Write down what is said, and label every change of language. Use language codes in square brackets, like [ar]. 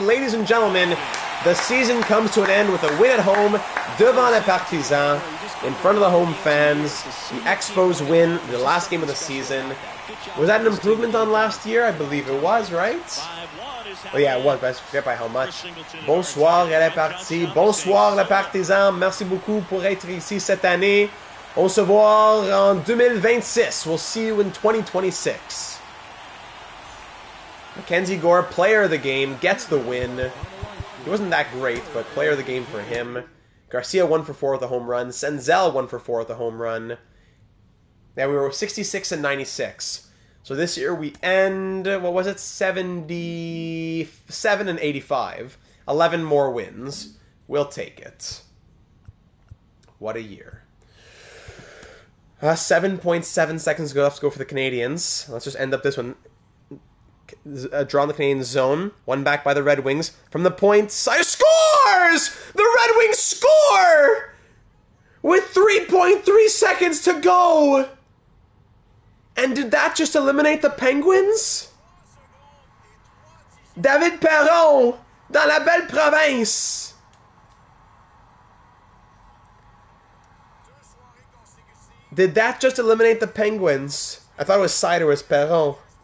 [en] Ladies and gentlemen, the season comes to an end with a win at home [fr] devant les Partisans, [en] in front of the home fans. The Expos win the last game of the season. Was that an improvement on last year? I believe it was, right? Oh yeah, it was, but I forget by how much. [fr] Bonsoir, elle est partie. Bonsoir, les Partisans. Merci beaucoup pour être ici cette année. On se voit en 2026. [en] We'll see you in 2026. Mackenzie Gore, player of the game, gets the win. He wasn't that great, but player of the game for him. Garcia 1-for-4 with a home run. Senzel 1-for-4 with a home run. Now we were 66-96. So this year we end, 77-85. 11 more wins. We'll take it. What a year. 7.7 seconds left to go for the Canadians. Let's just end up this one. Drawn the Canadian zone. One back by the Red Wings. From the point side, scores! The Red Wings score! With 3.3 seconds to go! And did that just eliminate the Penguins? [fr] David Perron, dans la belle province. [en] Did that just eliminate the Penguins? I thought it was Sider, it was Perron.